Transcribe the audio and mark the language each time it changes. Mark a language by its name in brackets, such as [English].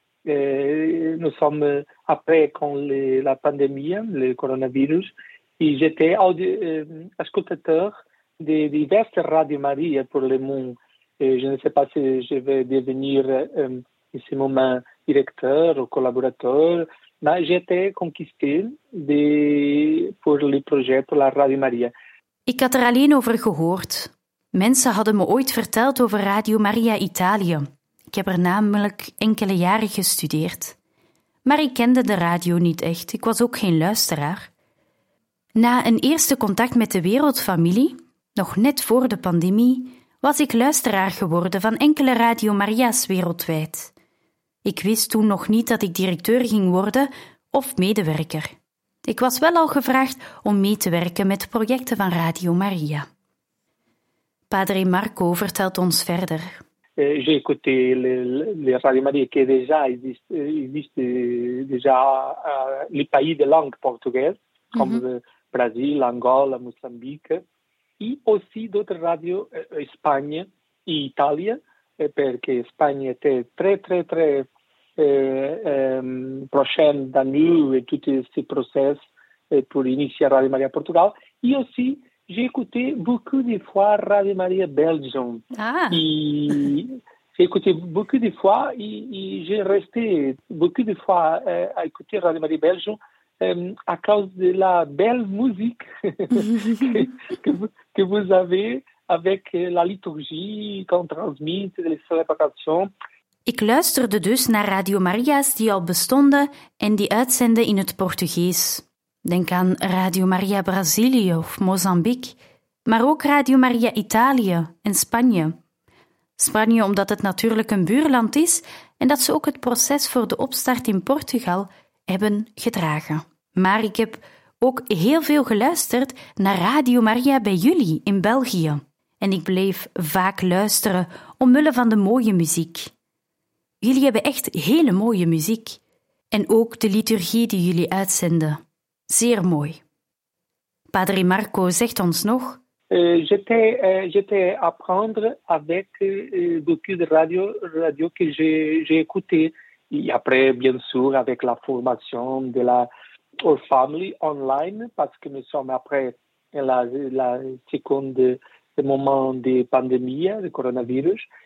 [French] Nous sommes après quand la pandémie, le coronavirus, et j'étais auditeur de diverses radios Maria pour le monde. Et je ne sais pas si je vais devenir en ce moment directeur ou collaborateur, mais j'étais conquisté pour le projet pour la Radio Maria. [Dutch] Ik had er alleen over gehoord. Mensen hadden me ooit verteld over Radio Maria Italië. Ik heb er namelijk enkele jaren gestudeerd. Maar ik kende de radio niet echt, ik was ook geen luisteraar. Na een eerste contact met de wereldfamilie, nog net voor de pandemie, was ik luisteraar geworden van enkele Radio Maria's wereldwijd. Ik wist toen nog niet dat ik directeur ging worden of medewerker. Ik was wel al gevraagd om mee te werken met projecten van Radio Maria. Padre Marco vertelt ons verder. [French] J'ai écouté le Radio Maria qui déjà existe déjà les pays de langue portugaise comme Brésil, Angola, Moçambique et aussi d'autres radios Espagne et Italie parce que Espagne était très prochaine d'Anou et tout ce process pour initier Radio Maria Portugal. Et aussi, j'ai écouté beaucoup de fois Radio Maria Belgium. Ah. Et j'ai écouté beaucoup de fois et j'ai resté beaucoup de fois à écouter Radio Maria Belgium à cause de la belle musique que vous avez avec la liturgie qu'on transmet, les célébrations. [Dutch] Ik luisterde dus naar Radio Maria's die al bestonden en die uitzenden in het Portugees. Denk aan Radio Maria Brazilië of Mozambique, maar ook Radio Maria Italië en Spanje. Spanje omdat het natuurlijk een buurland is en dat ze ook het proces voor de opstart in Portugal hebben gedragen. Maar ik heb ook heel veel geluisterd naar Radio Maria bij jullie in België. En ik bleef vaak luisteren omwille van de mooie muziek. Jullie hebben echt hele mooie muziek. En ook de liturgie die jullie uitzenden. Zeer mooi. Padre Marco zegt ons nog... [French] J'étais apprendre avec beaucoup de radio que j'ai écouté. Et après, bien sûr, avec la formation de la Our Family online, parce que nous sommes après la seconde moment de pandémie, de coronavirus.